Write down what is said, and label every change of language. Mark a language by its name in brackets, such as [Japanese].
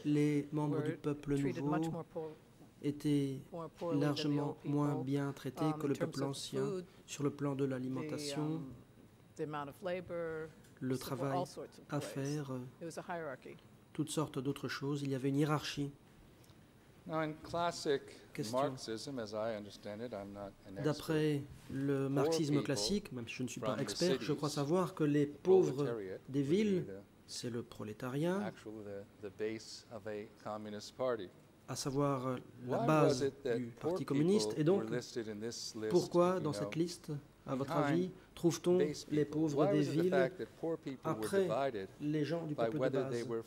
[French] les membres du peuple nouveau étaient largement moins bien traités que le peuple ancien [English] food, [French] sur le plan de l'alimentation, le travail à faire, toutes sortes d'autres choses. Il y avait une hiérarchie. [English] Now in classic Marxism, as I understand it, I'm not an expert. [French] D'après le marxisme classique, même si je ne suis pas expert, je crois savoir que les pauvres des villes, c'est le prolétariat, [English] the base of a communist party. [French] À savoir la base du Parti communiste. Et donc, pourquoi dans cette liste, à votre avis, trouve-t-on les pauvres des villes après les gens du peuple de base?